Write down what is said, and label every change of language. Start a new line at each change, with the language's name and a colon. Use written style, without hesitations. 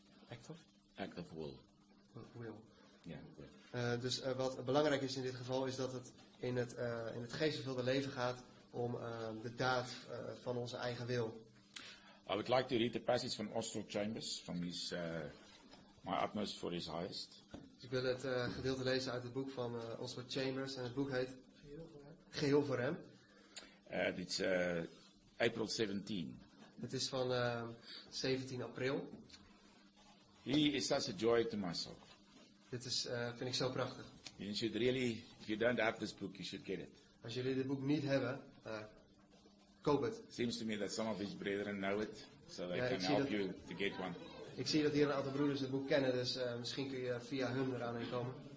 English: Act of? Act of will. Will. Ja, yeah, will.
Dutch: Dus wat belangrijk is in dit geval is dat het in het geestvervulde leven gaat om de daad van onze eigen wil.
English: I would like to read the passage from Austell Chambers, from his My Utmost for His Highest.
Dutch: Dus ik wil het gedeelte lezen uit het boek van Austell Chambers en het boek heet Geheel voor Hem. Dit is April 17. Het is van 17 april.
English: He is such a joy to myself.
Dutch: Dit is, vind ik zo prachtig.
English: You should really, if you don't have this book, you should get it.
Dutch: Als jullie dit boek niet hebben, koop het.
English: Seems to me that some of his brethren know it, so they can help you to get one.
Dutch: Ik zie dat hier een aantal broeders het boek kennen, dus misschien kun je via hun eraan heen komen.